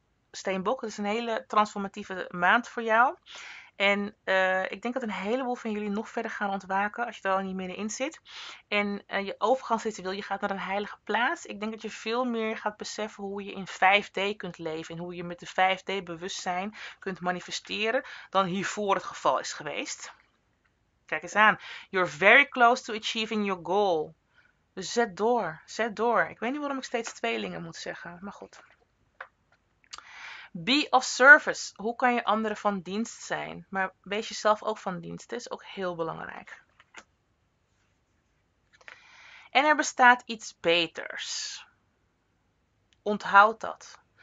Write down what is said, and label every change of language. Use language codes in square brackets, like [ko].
[nl] Steenbok, het is een hele transformatieve maand voor jou. En ik denk dat een heleboel van jullie nog verder gaan ontwaken als je er al niet middenin zit. En je overgangsritueel, je gaat naar een heilige plaats. Ik denk dat je veel meer gaat beseffen hoe je in 5D kunt leven. En hoe je met de 5D-bewustzijn kunt manifesteren dan hiervoor het geval is geweest. Kijk eens aan. [en] You're very close to achieving your goal. [nl] Dus zet door, zet door. Ik weet niet waarom ik steeds tweelingen moet zeggen, maar goed. [en] Be of service. [nl] Hoe kan je anderen van dienst zijn? Maar wees jezelf ook van dienst. Dat is ook heel belangrijk. En er bestaat iets beters. Onthoud dat.